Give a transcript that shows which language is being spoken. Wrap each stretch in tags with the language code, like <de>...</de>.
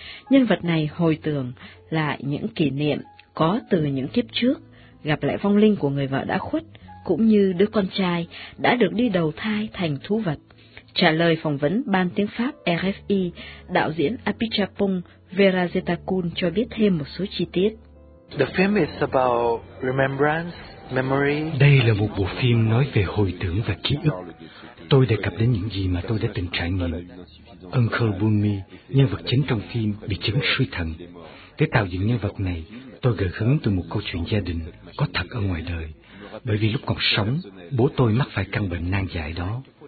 <vi>Nhân vật này hồi tưởng lại những kỷ niệm có từ những kiếp trước, gặp lại vong linh của người vợ đã khuất, cũng như đứa con trai đã được đi đầu thai thành thú vật. Trả lời phỏng vấn ban tiếng Pháp RFI, đạo diễn Apichapong Verajetakul cho biết thêm một số chi tiết.</vi> <en>The film is about remembrance, memory.</en> <vi>Đây là một bộ phim nói về hồi tưởng và ký ức. Tôi đề cập đến những gì mà tôi đã từng trải nghiệm. Uncle Bunmi, nhân vật chính trong phim, bị chứng suy thận. Để tạo dựng nhân vật này, tôi gợi hứng từ một câu chuyện gia đình có thật ở ngoài đời. Bởi vì lúc còn sống, bố tôi mắc phải căn bệnh nan giải đó.</vi>